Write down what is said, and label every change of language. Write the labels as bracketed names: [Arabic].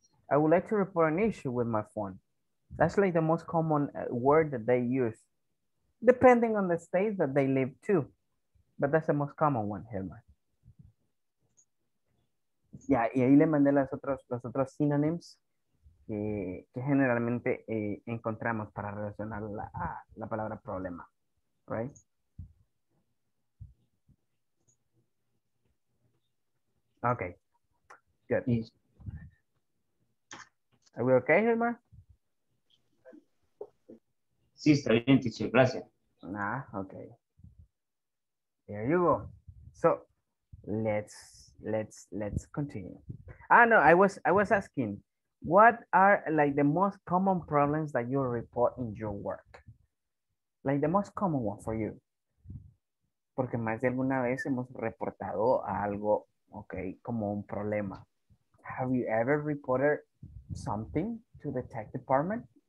[English] I would like to report an issue with my phone. That's like the most common word that they use, depending on the state that they live to. But that's the most common one, Hilma. [Spanish] Yeah, y ahí le mandé los otros synonyms que generalmente encontramos para relacionar la palabra problema, right? [English] Okay, good. Are we okay, Hilmar? [Spanish] Sí, está bien, teacher. Gracias. [English] Nah, okay. There you go. So, let's continue. Ah, no, I was asking, what are like the most common problems that you report in your work? Like the most common one for you. [Spanish] Porque más de alguna vez hemos reportado algo. Okay, como un problema. [English] Have you ever reported something to the tech department?